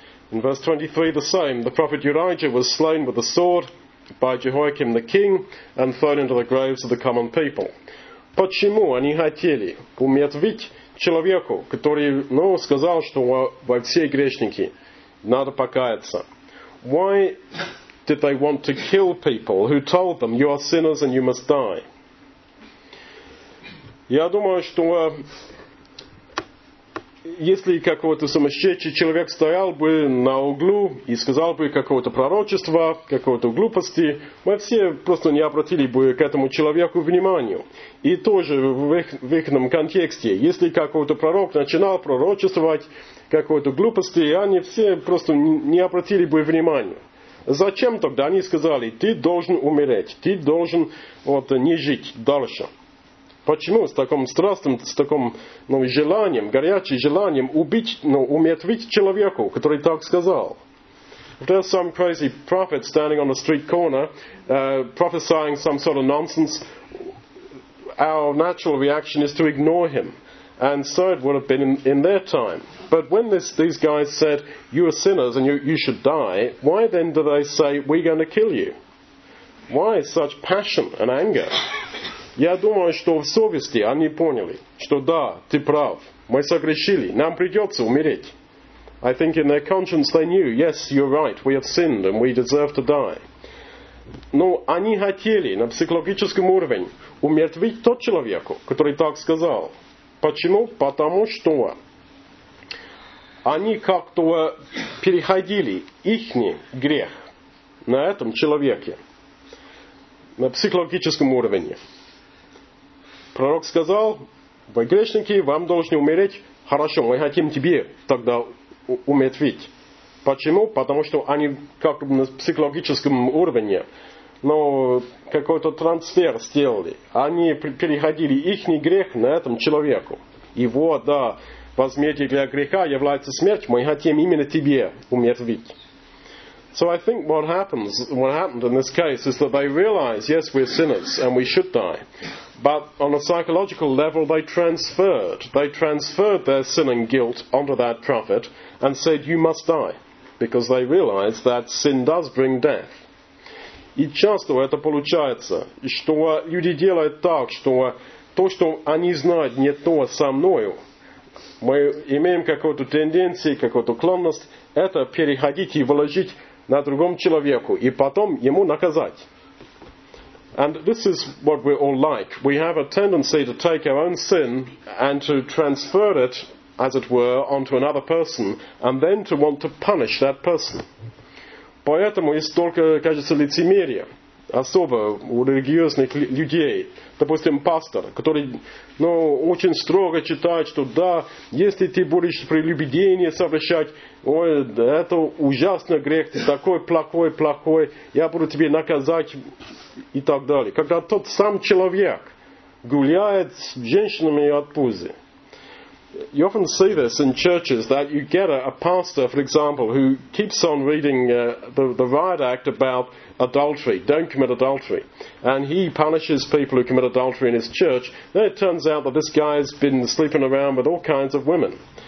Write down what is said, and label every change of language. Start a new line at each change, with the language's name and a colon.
English: In verse 23 the same, the prophet Urijah was slain with a sword by Jehoiakim the king and thrown into the graves of the common people.
Russian: Почему они хотели умертвить человеку, который, сказал, что во все грешники надо покаяться?
English: Why did they want to kill people who told them, you are sinners and you must die?
Russian: Я думаю, что если какого-то сумасшедший человек стоял бы на углу и сказал бы какого-то пророчества, какого-то глупости, мы все просто не обратили бы к этому человеку внимания. И тоже в их контексте, если какой-то пророк начинал пророчествовать какого-то глупости, они все просто не обратили бы внимания. Зачем тогда они сказали, ты должен умереть, ты должен вот, не жить дальше? Почему с таким страстным, с таким желанием, горячим желанием убить, умертвить человека, который так сказал?
English: If there's some crazy prophet standing on the street corner, prophesying some sort of nonsense, our natural reaction is to ignore him. And so it would have been in their time. But when these guys said, you are sinners and you should die, why then do they say, we're going to kill you? Why such passion and anger?
Russian: Я думаю, что в совести они поняли, что да, ты прав, мы согрешили, нам придется умереть.
English: I think in their conscience they knew, yes, you're right, we have sinned and we deserve to die.
Russian: Но они хотели на психологическом уровне умертвить тот человека, который так сказал. Почему? Потому что они как-то переходили их грех на этом человеке, на психологическом уровне. Пророк сказал, вы грешники, вам должны умереть. Хорошо, мы хотим тебе тогда умертвить. Почему? Потому что они как бы на психологическом уровне, какой-то трансфер сделали. Они переходили их грех на этом человеку. И вот, да, возмездие для греха является смерть, мы хотим именно тебе умертвить.
English: So I think what happened in this case is that they realize, yes, we're sinners and we should die. But on a psychological level, they transferred their sin and guilt onto that prophet and said, you must die, because they realized that sin does bring death.
Russian: И часто это получается, что люди делают так, что то, что они знают, не то со мною. Мы имеем какую-то тенденцию, какую-то склонность это переходить и вложить на другом человеку и потом ему наказать.
English: And this is what we're all like. We have a tendency to take our own sin and to transfer it, as it were, onto another person, and then to want to punish that person.
Russian: Поэтому есть только, кажется, лицемерие, особо у религиозных людей, допустим, пастор, который очень строго читает, что да, если ты будешь прелюбодеяние совершать, ой, это ужасный грех, ты такой плохой, я буду тебе наказать. И так далее. Когда тот сам человек гуляет с женщинами от пузы.
English: You often see this in churches that you get a pastor, for example, who keeps on reading the riot act about adultery, don't commit adultery. And he punishes people who commit adultery in his church. Then it turns out that this guy has been sleeping around with all kinds of women.